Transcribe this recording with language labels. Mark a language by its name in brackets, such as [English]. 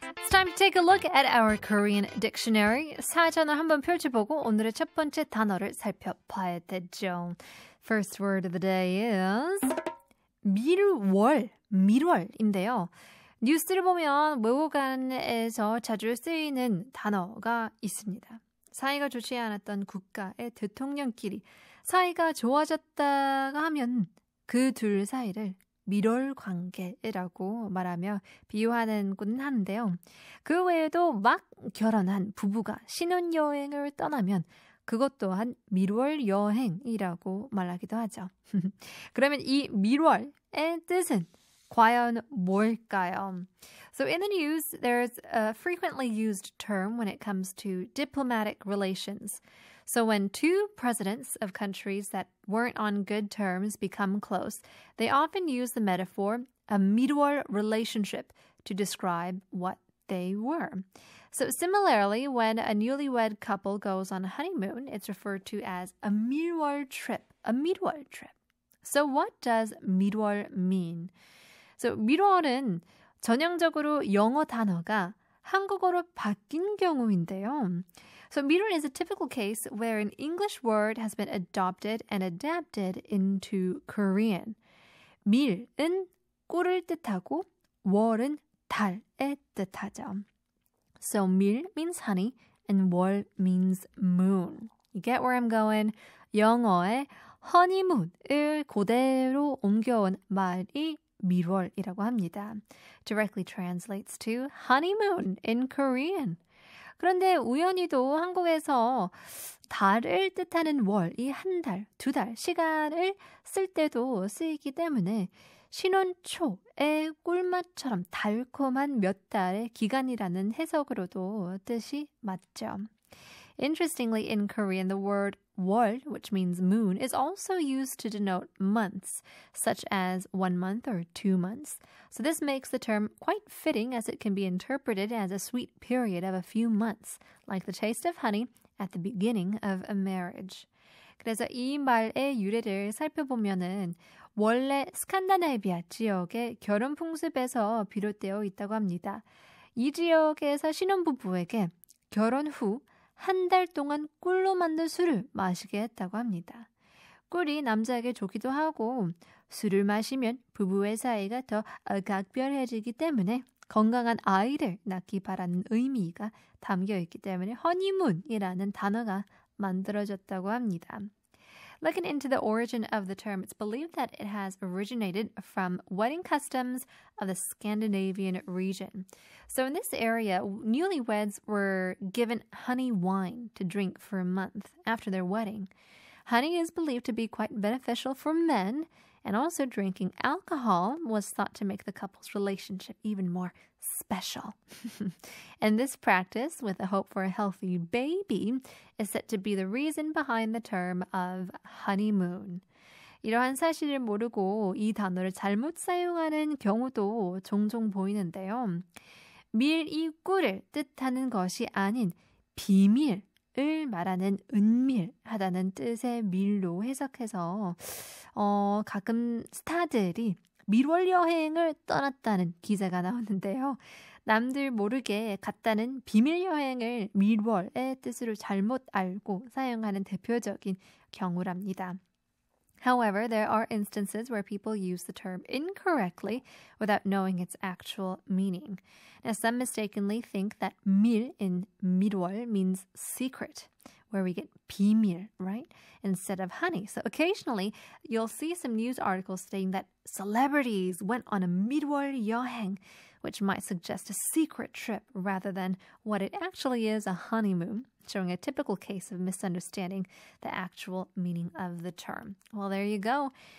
[English] time to take a look at our Korean dictionary. [Korean] 사전을 한번 펼쳐보고 오늘의 첫 번째 단어를 살펴봐야 되죠. [English] First word of the day is 밀월, 밀월인데요. [Korean] 뉴스를 보면 외국어에서 자주 쓰이는 단어가 있습니다. 사이가 좋지 않았던 국가의 대통령끼리 사이가 좋아졌다가 하면 그 둘 사이를 밀월 관계라고 말하며 비유하는군 한데요. 그 외에도 막 결혼한 부부가 신혼여행을 떠나면 그것 또한 밀월 여행이라고 말하기도 하죠. 그러면 이 밀월의 뜻은 과연 뭘까요? [English] So in the news, there's a frequently used term when it comes to diplomatic relations. So when two presidents of countries that weren't on good terms become close, they often use the metaphor a 밀월 relationship to describe what they were. So similarly, when a newlywed couple goes on a honeymoon, it's referred to as a 밀월 trip, a 밀월 trip. So what does 밀월 mean? [Korean] So 밀월은 전형적으로 영어 단어가 한국어로 바뀐 경우인데요. [English] So 밀월 is a typical case where an English word has been adopted and adapted into Korean. [Korean] 밀은 꿀을 뜻하고 월은 달에 뜻하죠. [English] So 밀 means honey and 월 means moon. You get where I'm going? [Korean] 영어의 honeymoon을 그대로 옮겨온 말이 밀월이라고 합니다. [English] Directly translates to honeymoon in Korean. [Korean] 그런데 우연히도 한국에서 달을 뜻하는 월, 이 한 달, 두 달 시간을 쓸 때도 쓰이기 때문에 신혼 초의 꿀맛처럼 달콤한 몇 달의 기간이라는 해석으로도 뜻이 맞죠. [English] Interestingly, in Korean, the word 월, which means moon, is also used to denote months, such as 1 month or 2 months. So this makes the term quite fitting as it can be interpreted as a sweet period of a few months, like the taste of honey at the beginning of a marriage. [Korean] 그래서 이 말의 유래를 살펴보면은 원래 스칸다나비아 지역의 결혼 풍습에서 비롯되어 있다고 합니다. 이 지역에서 신혼부부에게 결혼 후 한 달 동안 꿀로 만든 술을 마시게 했다고 합니다. 꿀이 남자에게 좋기도 하고 술을 마시면 부부의 사이가 더 각별해지기 때문에 건강한 아이를 낳기 바라는 의미가 담겨있기 때문에 허니문이라는 단어가 만들어졌다고 합니다. [English] Looking into the origin of the term, it's believed that it has originated from wedding customs of the Scandinavian region. So in this area, newlyweds were given honey wine to drink for a month after their wedding. Honey is believed to be quite beneficial for men, and also drinking alcohol was thought to make the couple's relationship even more special. And this practice, with a hope for a healthy baby, is said to be the reason behind the term of honeymoon. [Korean] 이러한 사실을 모르고 이 단어를 잘못 사용하는 경우도 종종 보이는데요. 밀이 꿀을 뜻하는 것이 아닌 비밀을 말하는 은밀하다는 뜻의 밀로 해석해서 가끔 스타들이 밀월 여행을 떠났다는 기사가 나오는데요. 남들 모르게 갔다는 비밀 여행을 밀월의 뜻으로 잘못 알고 사용하는 대표적인 경우랍니다. [English] However, there are instances where people use the term incorrectly without knowing its actual meaning. Now, some mistakenly think that 밀 in 밀월 means secret, where we get 비밀, right, instead of honey. So occasionally, you'll see some news articles saying that celebrities went on a 밀월 여행, which might suggest a secret trip rather than what it actually is, a honeymoon, showing a typical case of misunderstanding the actual meaning of the term. Well, there you go.